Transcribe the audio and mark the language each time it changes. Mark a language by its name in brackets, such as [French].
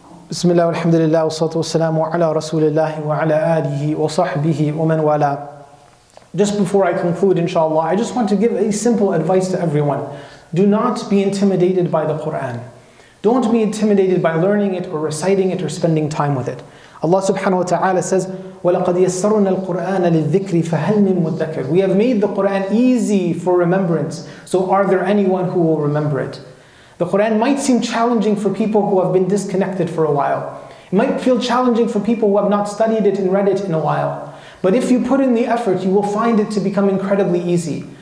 [Arabic] بسم الله والحمد لله والصلاة والسلام وعلى رسول الله وعلى آله وصحبه ومن والاه. [English] Just before I conclude, inshallah, I just want to give a simple advice to everyone. Do not be intimidated by the Qur'an. Don't be intimidated by learning it or reciting it or spending time with it. Allah subhanahu wa ta'ala says, [Arabic] وَلَقَدْ يَسَّرُنَا الْقُرْآنَ لِلذِّكْرِ فَهَلْ مِن مُدَّكَرٍ. [English] We have made the Qur'an easy for remembrance. So are there anyone who will remember it? The Qur'an might seem challenging for people who have been disconnected for a while. It might feel challenging for people who have not studied it and read it in a while. But if you put in the effort, you will find it to become incredibly easy.